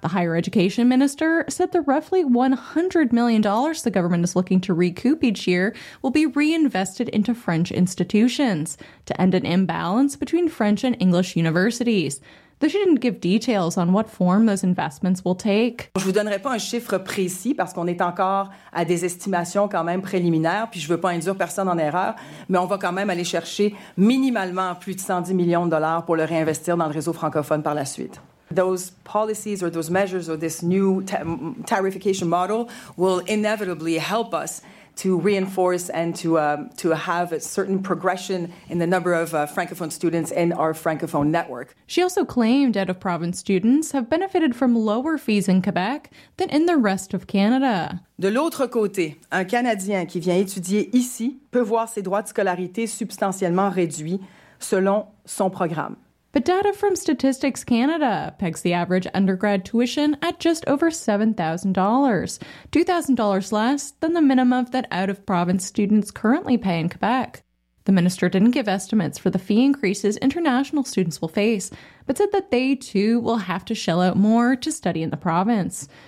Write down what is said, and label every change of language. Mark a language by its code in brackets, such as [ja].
[en] The higher education minister said the roughly $100 million the government is looking to recoup each year will be reinvested into French institutions to end an imbalance between French and English universities. They shouldn't give details on what form those investments will take. [fr] Je vous donnerai pas un chiffre précis parce qu'on est encore à des estimations quand même préliminaires, puis je veux pas induire personne en erreur, mais on va quand même aller chercher minimalement plus de 110 millions de dollars pour le réinvestir dans le réseau francophone par la suite. [en] Those policies or those measures or this new tarification model will inevitably help us to reinforce and to have a certain progression in the number of Francophone students in our Francophone network. She also claimed out-of-province students have benefited from lower fees in Quebec than in the rest of Canada. [fr] De l'autre côté, un Canadien qui vient étudier ici peut voir ses droits de scolarité substantiellement réduits selon son programme. [en] But data from Statistics Canada pegs the average undergrad tuition at just over $7,000, $2,000 less than the minimum that out-of-province students currently pay in Quebec. The minister didn't give estimates for the fee increases international students will face, but said that they too will have to shell out more to study in the province.